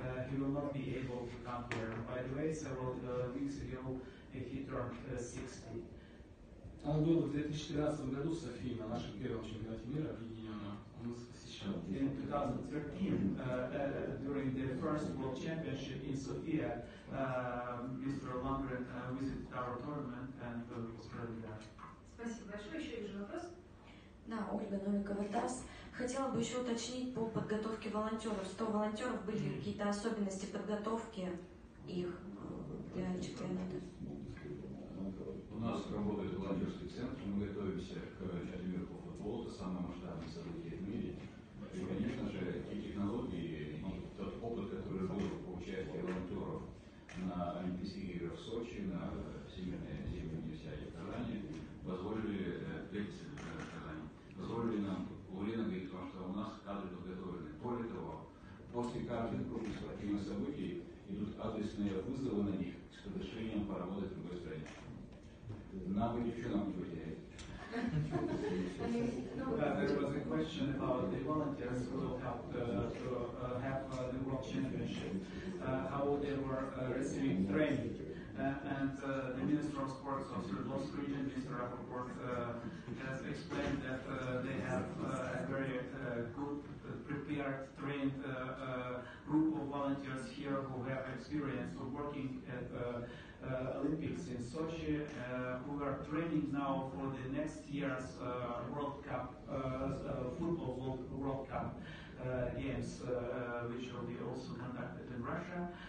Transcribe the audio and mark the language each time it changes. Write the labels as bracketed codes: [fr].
[en] He will not be able to come here. By the way, several weeks ago, he turned 60. [ru] Он был в 2013 году в Софии на нашем первом чемпионате мира объединенном. Он нас посещал. [en] In 2013, during the first World Championship in Sofia, Mr. Lundgren visited our tournament and was present there. [ru] Спасибо большое. Еще один вопрос. Да, Ольга Новикова, ТАСС. Хотела бы еще уточнить по подготовке волонтеров. 100 волонтеров, были какие-то особенности подготовки их для чемпионата? У нас работает волонтерский центр, мы готовимся к чемпионату по футболу, это самое масштабное событие в мире. И, конечно же, те технологии и тот опыт, который был по участию волонтеров на Олимпийских играх в Сочи, на Всемирной зимней универсиаде в Казани, позволили нам уверенно говорить, потому что у нас кадры подготовлены. Более того, после каждого крупных спортивных событий идут адресные вызовы на них с разрешением поработать в другой стране. Нам бы ничего нам не потеряет. [en] There was a question about the volunteers who helped to have the World Championship, how they were receiving training. And the Minister of Sports of Sverdlovsk region, Mr. Rapoport, has explained that they have a very good, prepared, trained group of volunteers here who have experience of working at Olympics in Sochi, who are training now for the next year's World Cup, football World Cup games, which will be also conducted in Russia.